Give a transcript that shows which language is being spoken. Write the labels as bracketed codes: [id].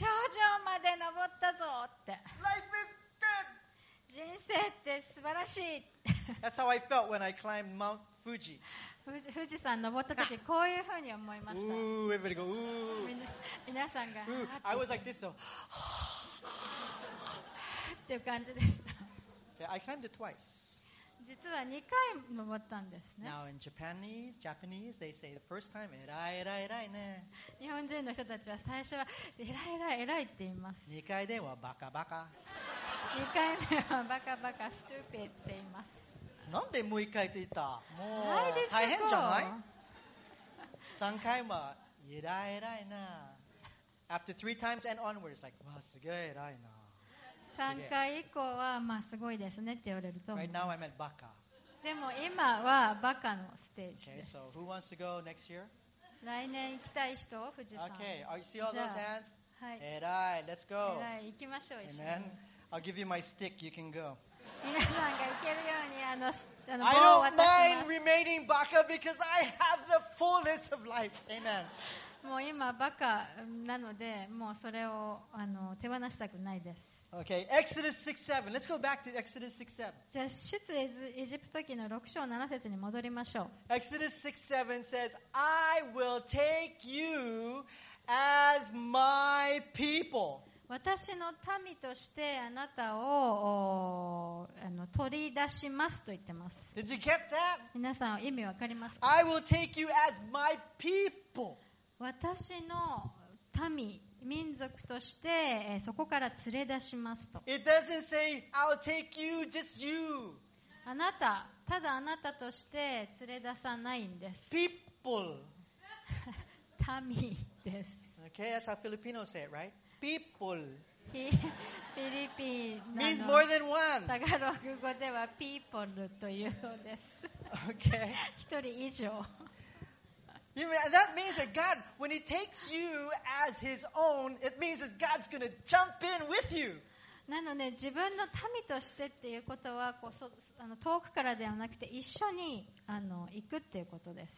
[ja] 頂上まで登ったぞって。 [en] Life is good. [ja] 人生って素晴らしい。 [en] That's how I felt when I climbed Mount Fuji. [ja] 富士山登った時こういう風に思いました。 [en] Ooh, everybody go. Ooh. [ja] 皆さんが。 [en] Ooh, I was like this though. [ja] っていう感じでした。 [en] Yeah, I climbed it twice. [ja] 実は2回登ったんですね。 [en] Now in Japanese, they say the first time, [ja] えらいえらいえらいね。日本人の人たちは最初はえらいえらいえらいって言います。 2回ではバカバカ。 2回目はバカバカ、ストゥーピッって言います。なんでもう1回と言った、もう大変じゃない？ 3回も偉い偉いな。 [en] After 3 times and onwards like, [ja] わすげえ偉いな。 3回以降は、まあ、すごいですねって言われると思う。 [en] Right now I'm at バカ。 [ja] でも今はバカのステージです。 [en] Okay, so who wants to go next year? [ja] 来年行きたい人、富士山。 [en] Okay, are you see all those hands? [ja] はい、えらい、 [en] Let's go. [ja] えらい、行きましょう、一緒に。 [en] Amen. I'll give you my stick, you can go. [ja] 皆さんが行けるように、あの、棒を渡します [en] 。 I don't mind remaining baka because I have the fullness of life. Amen. [ja] もう今バカなので、もうそれをあの手放したくないです。 [en] Okay, Exodus 6-7. Let's go back to Exodus 6-7. [ja] じゃあ出エジ、エジプト記の6章7節に戻りましょう。 [en] Exodus 6-7 says, I will take youAs my people. [ja] 私の民としてあなたを、あの、取り出しますと言ってます。 [en] Did you get that? [ja] 皆さん意味わかりますか? [en] I will take you as my people. [ja] 私の民、民族として、そこから連れ出しますと。 [en] It doesn't say I'll take you, just you. [ja] あなた、ただあなたとして連れ出さないんです。 [en] People. [ja] 民。 [en] Okay, that's how Filipinos say it, right? People. Philippine means more than one. [ja] タガログ語では people というそうです。 [en] Okay. [ja] 一人以上。 [en] You mean, that means that God, when He takes you as His own, it means that God's going to jump in with you. [ja] なので、自分の民としてっていうことは、こう、そ、あの、遠くからではなくて一緒に、あの、行くっていうことです。